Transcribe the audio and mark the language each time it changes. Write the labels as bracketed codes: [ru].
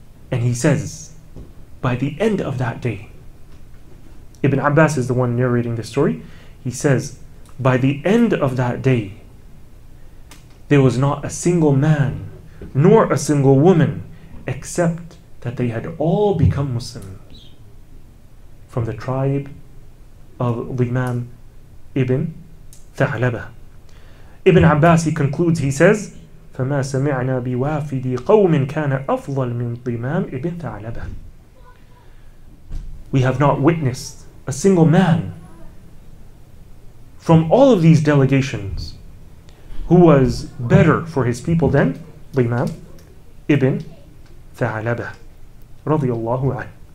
[en] And he says, by the end of that day, Ibn Abbas is the one narrating this story, he says, by the end of that day, there was not a single man nor a single woman except that they had all become Muslims from the tribe of Dhimam ibn Tha'labah. Ibn Abbas, he concludes, he says, [ar] فَمَا سَمِعْنَا بِوَافِدِ قَوْمٍ كَانَ أَفْضَلْ مِنْ طِمَامِ إِبْنْ ثَعْلَبَةً. [en] We have not witnessed a single man from all of these delegations who was better for his people than Dhimam ibn Tha'labah radiallahu anhu.